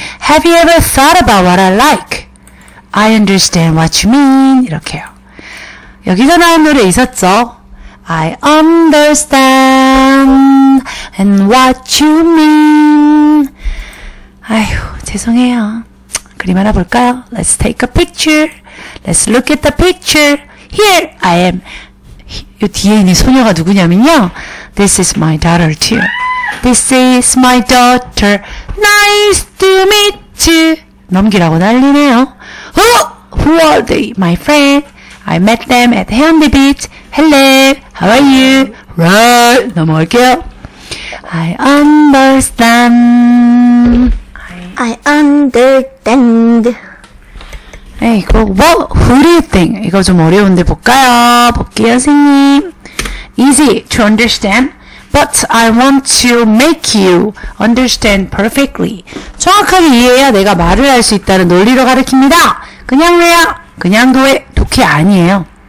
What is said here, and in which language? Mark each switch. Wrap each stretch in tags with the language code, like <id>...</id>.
<en>Have you ever thought about what I like? I understand what you mean.</en> <ko>이렇게요. 여기서 나온 노래 있었죠?</ko> <en>I understand and what you mean.</en> <ko>아휴, 죄송해요. 그림 하나 볼까요?</ko> <en>Let's take a picture. Let's look at the picture. Here I am.</en> <ko>이 뒤에 있는 소녀가 누구냐면요.</ko> <en>This is my daughter too. This is my daughter. Nice to meet you.</en> <ko>넘기라고 난리네요.</ko> <en>Who are they? My friend. I met them at Haeundae Beach. Hello. How are you? Right.</en> <ko>넘어갈게요.</ko> <en>I understand. I understand.</en> <ko>에이고,</ko> <en>what? Who do you think?</en> <ko>이거 좀 어려운데 볼까요? 볼게요, 선생님.</ko> <en>Easy to understand, but I want to make you understand perfectly.</en> <ko>정확하게 이해해야 내가 말을 할 수 있다는 논리로 가르칩니다. 그냥 왜요? 그냥 도의 독해 아니에요.</ko>